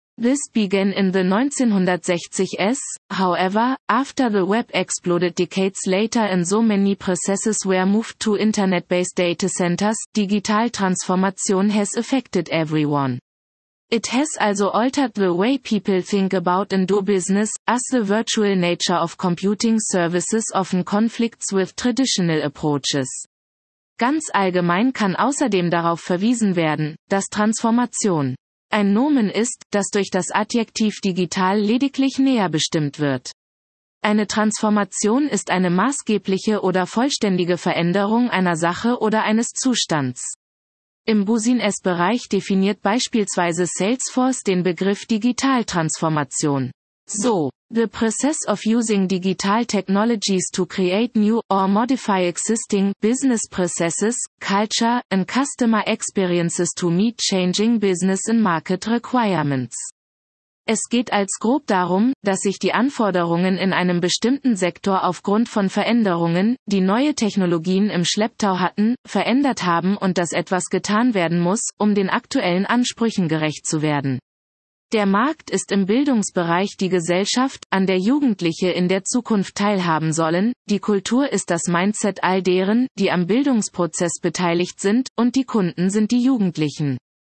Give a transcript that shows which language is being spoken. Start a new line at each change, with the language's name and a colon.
English: This began in the 1960s, however, after the web exploded decades later and so many processes were moved to internet-based data centers, digital transformation has affected everyone. It has also altered the way people think about and do business, as the virtual nature of computing services often conflicts with traditional approaches.
German: Ganz allgemein kann außerdem darauf verwiesen werden, dass Transformation ein Nomen ist, das durch das Adjektiv digital lediglich näher bestimmt wird. Eine Transformation ist eine maßgebliche oder vollständige Veränderung einer Sache oder eines Zustands. Im Business-Bereich definiert beispielsweise Salesforce den Begriff Digitaltransformation.
English: So, the process of using digital technologies to create new or modify existing business processes, culture, and customer experiences to meet changing business and market requirements.
German: Es geht als grob darum, dass sich die Anforderungen in einem bestimmten Sektor aufgrund von Veränderungen, die neue Technologien im Schlepptau hatten, verändert haben und dass etwas getan werden muss, um den aktuellen Ansprüchen gerecht zu werden. Der Markt ist im Bildungsbereich die Gesellschaft, an der Jugendliche in der Zukunft teilhaben sollen, die Kultur ist das Mindset all deren, die am Bildungsprozess beteiligt sind, und die Kunden sind die Jugendlichen.